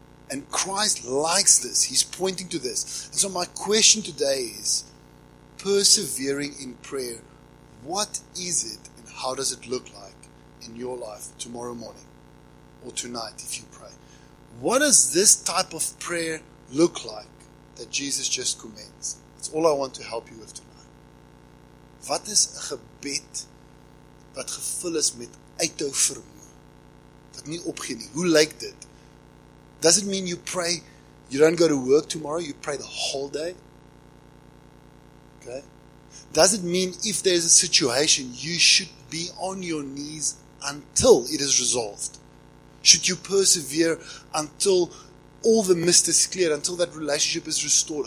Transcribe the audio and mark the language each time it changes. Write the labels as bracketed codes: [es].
[en] And Christ likes this. He's pointing to this. And so my question today is, persevering in prayer, what is it and how does it look like in your life tomorrow morning or tonight if you pray? What does this type of prayer look like that Jesus just commends? It's all I want to help you with tonight. [af] Wat is 'n gebed wat gevul is met uithou vermoë? Wat nie opgee nie. Hoe lyk dit? [en] Does it mean you pray, you don't go to work tomorrow, you pray the whole day? Okay? Does it mean if there's a situation, you should be on your knees until it is resolved? Should you persevere until all the mist is cleared, until that relationship is restored?